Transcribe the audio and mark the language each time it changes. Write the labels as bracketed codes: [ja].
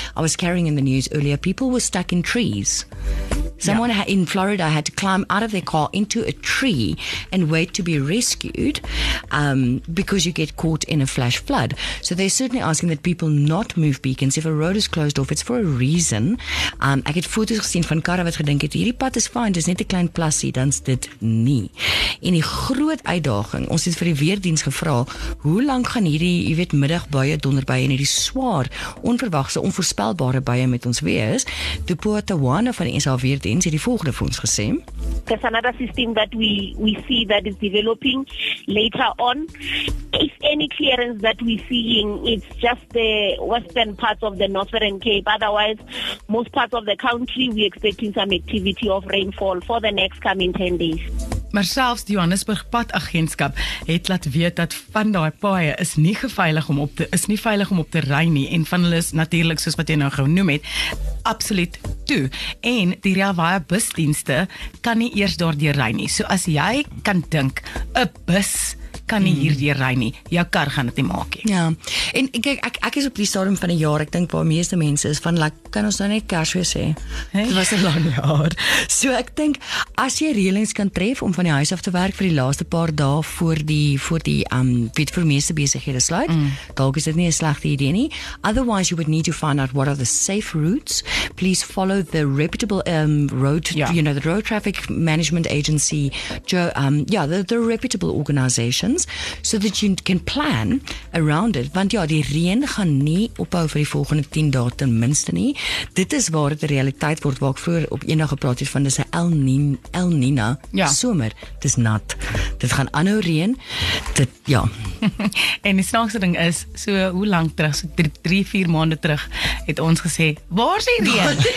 [en] I was carrying in the news earlier, people were stuck in trees. Someone in Florida had to climb out of their car into a tree and wait to be rescued because you get caught in a flash flood. So they're certainly asking that people not move beacons. If a road is closed off, it's for a reason. [af] Ek het foto's gesien van karre wat gedink het, hierdie pad is fine, dis net 'n klein plassie, dan's dit nie. En die groot uitdaging, ons het vir die weerdiens gevra, hoe lank gaan hierdie, jy weet, middag buie, donderbuie en hierdie swaar, onverwagse, onvoorspelbare buie met ons wees? Tupoa Tawana van die SA Weerdiens het die volgende vir ons gesê. [en] There's another system that we see that is developing later on. If any clearance that we're seeing, it's just the western parts of the Northern Cape. Otherwise, most parts of the country, we're expecting some activity of rainfall for the next coming 10 days. [af] Maar selfs die Johannesburg padagentskap het laat weet dat van daai paaie is nie geveilig om op te is nie veilig om op te ry nie en van hulle is natuurlik soos wat jy nou genoem het absoluut toe en die Reawaya busdienste kan nie eers daardeur ry nie. So as jy kan dink 'n bus kan nie hierdeur ry nie. Jou kar gaan dit nie maak nie. Ja. En kyk, ek is op die stadium van die jaar, ek dink waar meeste mense is van like, kan ons nou net Kersfees hê. Dit was 'n lang jaar. So ek dink as jy reëlings kan tref om van die huis af te werk vir die laaste paar dae voor die meeste besighede sluit, dalk is dit nie 'n slegte idee nie. [en] Otherwise you would need to find out what are the safe routes. Please follow the reputable the road traffic management agency, the reputable organization. So that you can plan around it. [af] Want ja, die reën gaan nie ophou vir die volgende 10 dae ten minste nie. Dit is waar dit 'n realiteit word waar ek vroeër op eendag gepraat het van dis 'n El Nina somer. Dis nat. Dit gaan aanhou reën. Dit ja. En die snaakse ding is, so hoe lank terug, so 3-4 maande terug het ons gesê, waar is die reën?